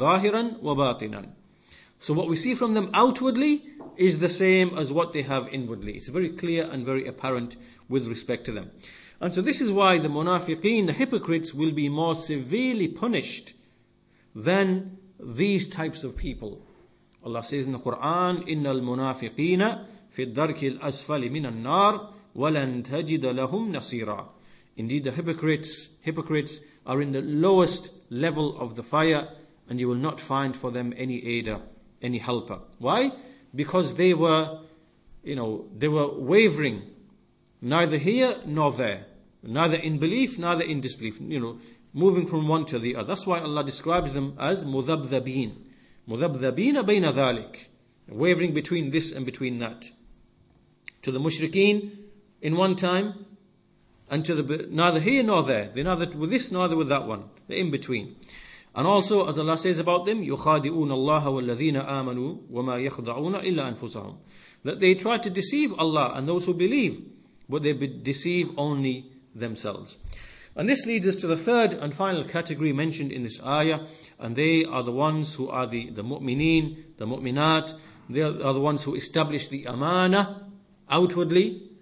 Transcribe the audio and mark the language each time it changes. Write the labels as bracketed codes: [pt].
[ar] Zahiran wa batinan. [en] So what we see from them outwardly is the same as what they have inwardly. It's very clear and very apparent with respect to them. And so this is why the munafiqeen, the hypocrites, will be more severely punished than these types of people. Allah says in the Quran, [ar] إِنَّ الْمُنَافِقِينَ فِي الدَّرْكِ الْأَسْفَلِ مِنَ النَّارِ وَلَنْ تَجِدَ لَهُمْ نَصِيرًا. [en] Indeed, the hypocrites are in the lowest level of the fire, and you will not find for them any aider, any helper. Why? Because they were wavering, neither here nor there, neither in belief, neither in disbelief, you know, moving from one to the other. That's why Allah describes them as مُذَبْذَبِينَ. [ar] مُذَبْذَبِينَ بَيْنَ ذَلِكَ. [en] Wavering between this and between that. To the mushrikeen in one time, and to the neither here nor there. They're neither with this, neither with that one. They're in between. And also, as Allah says about them, [ar] يُخَادِعُونَ اللَّهَ وَالَّذِينَ آمَنُوا وَمَا يَخْضَعُونَ إِلَّا أَنفُسَهُمْ. [en] That they try to deceive Allah and those who believe, but they deceive only themselves. And this leads us to the third and final category mentioned in this ayah. And they are the ones who are the mu'mineen, the mu'minat. They are the ones who establish the amana outwardly.